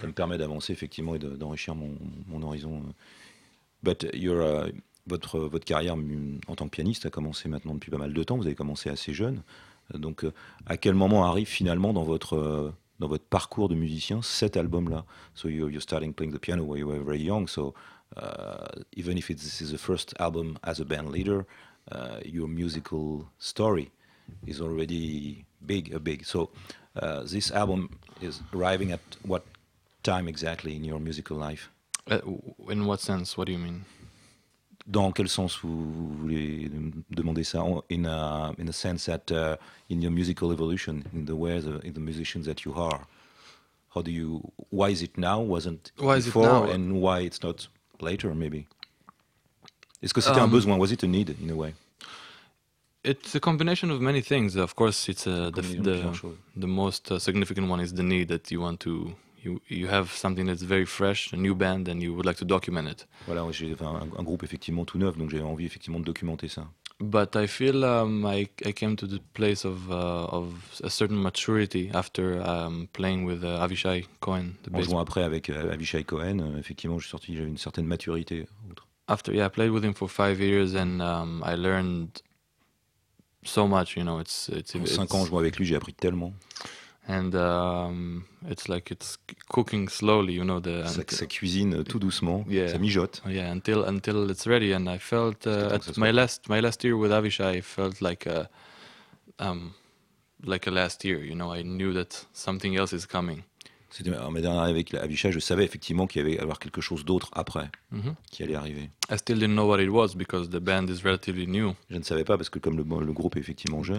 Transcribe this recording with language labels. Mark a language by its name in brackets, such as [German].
[French] Ça me permet d'avancer effectivement et d'enrichir mon horizon. [English] But you're [French] votre carrière en tant que pianiste a commencé maintenant depuis pas mal de temps. Vous avez commencé assez jeune. Donc, à quel moment arrive finalement dans votre parcours de musicien, cet album-là. [English] So you're starting playing the piano when you were very young. So even if this is the first album as a band leader, your musical story is already big. So this album is arriving at what time exactly in your musical life? In what sense? What do you mean? [French] Dans quel sens vous voulez demander ça? [English] In a sense that in your musical evolution, in the way in the musicians that you are, how do you? Why is it now? Wasn't why before, is it now? And why it's not later? Maybe. [French] Est-ce que c'était un besoin? [English] Was it a need in a way? It's a combination of many things. Of course, it's the most significant one is the need that you want to. You have something that's very fresh, a new band, and you would like to document it. [French] Voilà, j'ai un groupe effectivement tout neuf, donc j'ai envie effectivement de documenter ça. [English] But I feel I came to the place of a certain maturity after playing with Avishai Cohen. [French] En jouant après avec Avishai Cohen, effectivement, j'avais une certaine maturité. [English] After, yeah, I played with him for 5 years and I learned so much. You know, [French] En cinq ans, jouant avec lui, j'ai appris tellement. [English] And it's like it's cooking slowly, you know. [French] Ça cuisine tout doucement. [English] Yeah. [French] Ça mijote. [English] Yeah, until it's ready. And I felt at my last year with Avishai, I felt like like a last year, you know, I knew that something else is coming. [French] C'était ma dernière avec Avishai, je savais effectivement qu'il y allait avoir quelque chose d'autre après, qui allait arriver. [English] I still didn't know what it was because the band is relatively new. [French] Je ne savais pas parce que comme le groupe est effectivement jeune.